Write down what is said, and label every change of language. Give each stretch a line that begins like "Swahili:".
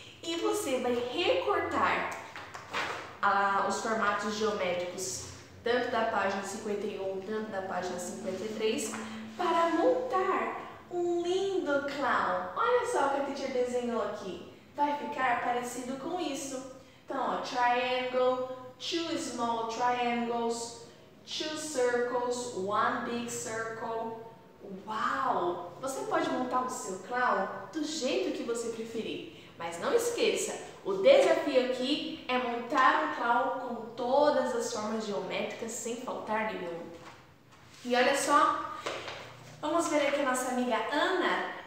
Portuguese: E você vai recortar os formatos geométricos, tanto da página 51, tanto da página 53, para montar um lindo clown. Olha só o que a teacher desenhou aqui. Vai ficar parecido com isso. Então, ó,
English: triangle, two small triangles, two circles, one big circle.
Portuguese: Uau! Você pode montar o seu clown do jeito que você preferir. Mas não esqueça, o desafio aqui é montar um clown com todas as formas geométricas sem faltar nenhum. E olha só, vamos ver aqui a nossa amiga Ana.